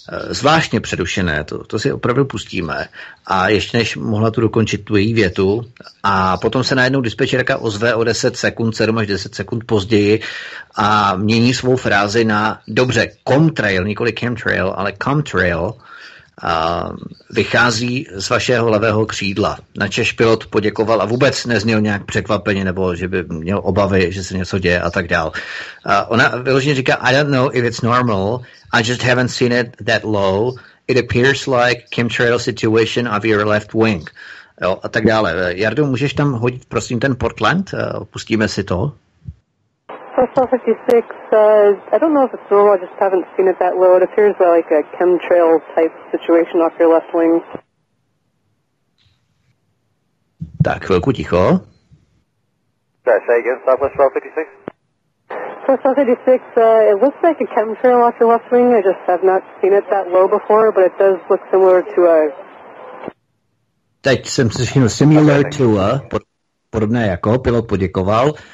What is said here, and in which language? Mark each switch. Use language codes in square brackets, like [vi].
[cs] zvláštně přerušené, to si opravdu pustíme. A ještě než mohla tu dokončit tu její větu, a potom se najednou dispečerka ozve o 10 sekund, 7 až 10 sekund později a mění svou frázi na, dobře, comtrail, nikoli chemtrail, ale comtrail, a vychází z vašeho levého křídla. Načež pilot poděkoval a vůbec nezněl nějak překvapeně, nebo že by měl obavy, že se něco děje a tak dál. A ona vyloženě říká, [en] I don't know if it's normal, I just haven't seen it that low, it appears like chemtrail situation of your left wing. [cs] Jo, a tak dále. Jardu, můžeš tam hodit prosím ten Portland? Pustíme si to. [en] SR-56 says, I don't know if it's normal, I just haven't seen it that low. It appears like a chemtrail type situation off your left wing. [cs] Tak, chvilku ticho. [en] Sorry, say again, Southwest 56. SR-56, it looks like a chemtrail off your left wing. I just have not seen it that low before, but it does look similar to a... [cs] Teď jsem si všiml [en] similar to a, [cs] podobné jako, pilot poděkoval.